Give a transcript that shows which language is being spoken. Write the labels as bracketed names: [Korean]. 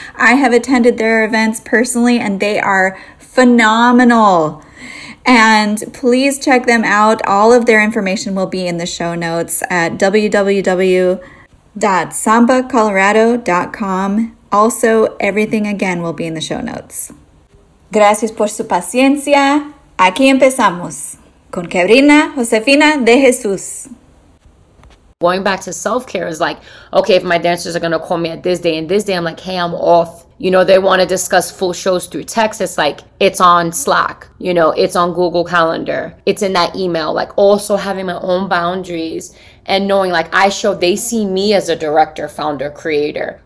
[English] I have attended their events personally, and they are phenomenal. And please check them out. All of their information will be in the show notes at www.sambacolorado.com. Also, everything again will be in the show notes. [Spanish] Gracias por su paciencia. Aquí empezamos con Kebrina Josefina de Jesus. [English] Going back to self-care is like, okay, if my dancers are going to call me at this day and this day, I'm like, hey, I'm off. You know, they want to discuss full shows through text. It's like, it's on Slack, you know, it's on Google Calendar. It's in that email, like also having my own boundaries and knowing like I show, they see me as a director, founder, creator.